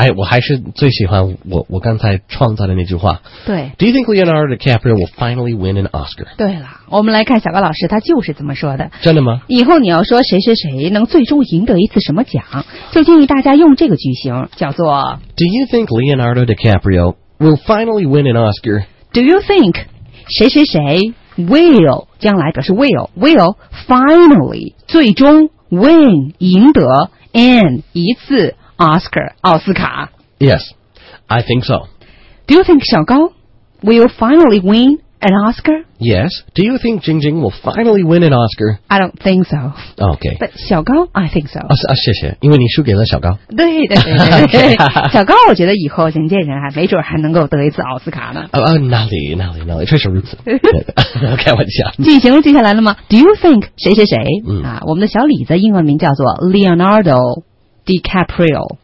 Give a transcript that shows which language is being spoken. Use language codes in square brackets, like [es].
[zh] 我还是最喜欢我刚才创造的那句话。对。 [en] Do you think Leonardo DiCaprio will finally win an Oscar？ [zh] 对了。我们来看小高老师，他就是这么说的。真的吗？以后你要说谁谁谁能最终赢得一次什么奖，就建议大家用这个句型，叫做 [en] Do you think Leonardo DiCaprio will finally win an Oscar? Do you think 谁谁谁 will 将来表示 will finally 最终 win 赢得 an 一次 Oscar 奥斯卡 Yes, I think so. Do you think 小高 will finally win? An Oscar? Yes. Do you think Jing Jing will finally win an Oscar? I don't think so. Okay. But 小高 I think so. [zh] 谢谢，因为你输给了小高。对。小高，我觉得以后人见人爱，没准还能够得一次奥斯卡呢。哪里，确实如此。开玩笑。进行接下来了吗 ？ [en] Do you think [zh] 谁谁谁？我们的小李子英文名叫做 Leonardo DiCaprio。